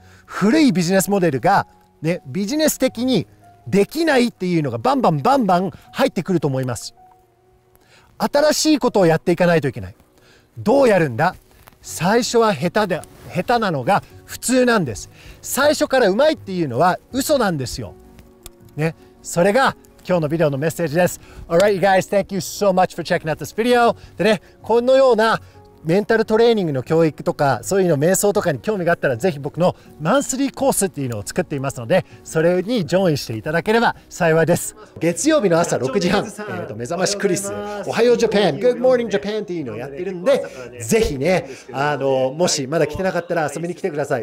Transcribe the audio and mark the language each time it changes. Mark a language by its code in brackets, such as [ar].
[ja] 古いビジネスモデルが、ね、ビジネス的にできないっていうのがバンバンバンバン入ってくると思います。新しいことをやっていかないといけない。どうやるんだ。最初は下手なのが普通なんです。最初からうまいっていうのは嘘なんですよ、ね、それが今日のビデオのメッセージです。 [en] Alright you guys, thank you so much for checking out this video. [ja] で、ね、このようなメンタルトレーニングの教育とかそういうの瞑想とかに興味があったらぜひ僕のマンスリーコースっていうのを作っていますので、それにジョインしていただければ幸いです。月曜日の朝6時半、目覚ましクリス、おはようジャパン、グッドモーニングジャパンっていうのをやってるんで、ぜひね、もしまだ来てなかったら遊びに来てください。